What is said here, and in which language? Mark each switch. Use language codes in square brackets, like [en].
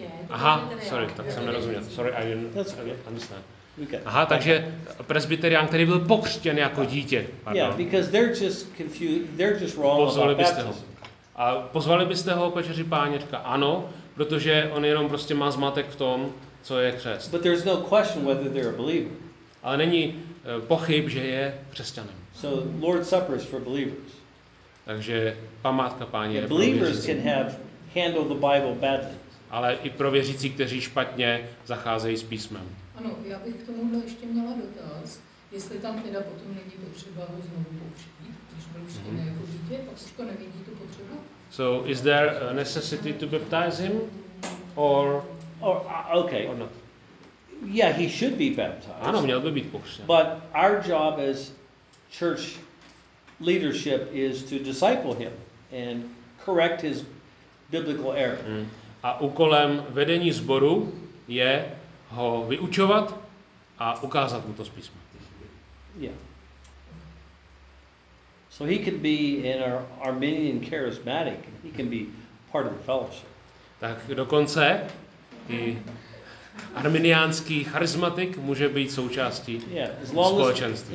[cs] Aha, sorry, tak jsem nerozuměl. [en] Sorry, I didn't understand. [cs] Aha, takže presbyterián, který byl pokřtěn jako dítě. Pardon. [en] Yeah, because they're just confused, they're just wrong [cs] pozvali [en] about baptism. [cs] Ho. A pozvali byste ho k večeři páně? Říká, ano, protože on jenom prostě má zmatek v tom, co je křest. [en] But there's no question whether they're a believer. [cs] Ale není pochyb, že je křesťanem. [en] So Lord's Supper is for believers. [cs] Takže památka páně je pro [en] believers can have handle the Bible badly. [cs] Ale i pro věřící, kteří špatně zacházejí s písmem. Ano, já bych k tomuhle ještě měla dotaz, jestli tam teda potom není potřeba ho znovu pokřtít. [en] So is there a necessity to baptize him or not? Yeah, he should be baptized. [cs] Ano, měl by být pokřtěn. [en] But our job as church leadership is to disciple him and correct his biblical error. Mm. [cs] A úkolem vedení sboru je ho vyučovat a ukázat mu to z písma. [en] Yeah. So he could be in our Arminian charismatic. He can be part of the fellowship. [cs] Tak dokonce i arminiánský charismatik může být součástí společenství.